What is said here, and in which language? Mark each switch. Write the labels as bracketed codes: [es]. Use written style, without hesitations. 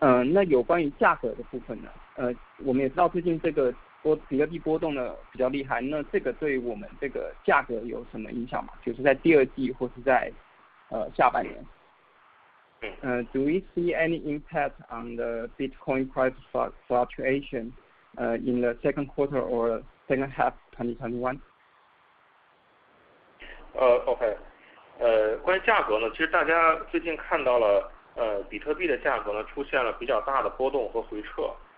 [zh] 那有关于价格的部分呢？我们也知道最近这个比特币波动的比较厉害，那这个对我们这个价格有什么影响吗？就是在第二季或是在下半年。 [en] Do we see any impact on the Bitcoin price fluctuation in the second quarter or second half 2021? [zh] OK， 关于价格呢，其实大家最近看到了比特币的价格呢出现了比较大的波动和回撤。